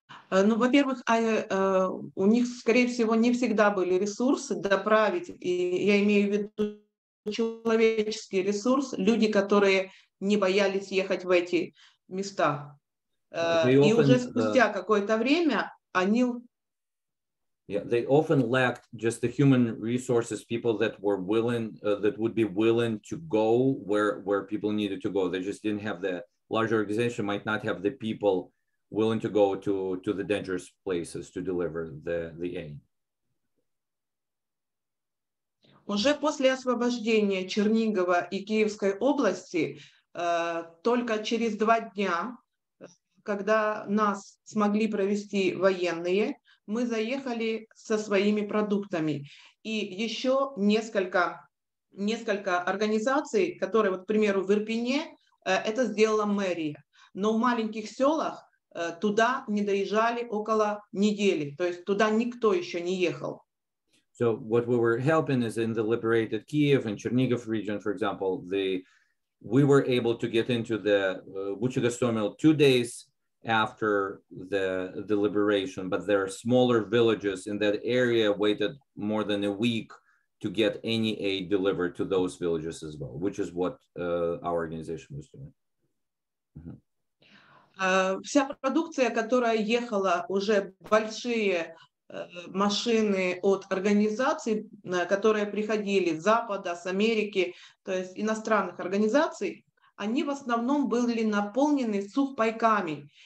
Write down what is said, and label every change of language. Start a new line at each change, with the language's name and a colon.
Russian: Ну, во-первых, у них, скорее всего, не всегда были ресурсы доправить, и я имею в виду человеческий ресурс, люди, которые не боялись ехать в эти места. И уже спустя какое-то время они...
English: Yeah, they often lacked just the human resources, people that were willing, that would be willing to go where people needed to go. They just didn't have the larger organization, might not have the people willing to go to the dangerous places to deliver the aid.
Russian: Уже после освобождения Чернигова и Киевской области, только через два дня, когда нас смогли провести военные, мы заехали со своими продуктами. И еще несколько организаций, которые, вот, к примеру, в Ирпене, это сделала мэрия. Но в маленьких селах туда не доезжали около недели. То есть туда никто еще не ехал.
English: So what we were helping is in the liberated Kyiv and Chernigov region, for example, we were able to get into the Vyshnia sawmill 2 days after the liberation, but there are smaller villages in that area waited more than a week to get any aid delivered to those villages as well, which is what our organization was doing.
Russian: Вся продукция, которая ехала уже большие машины от организаций, которые приходили с Запада, с Америки, то есть иностранных организаций, они в основном были наполнены сухпайками.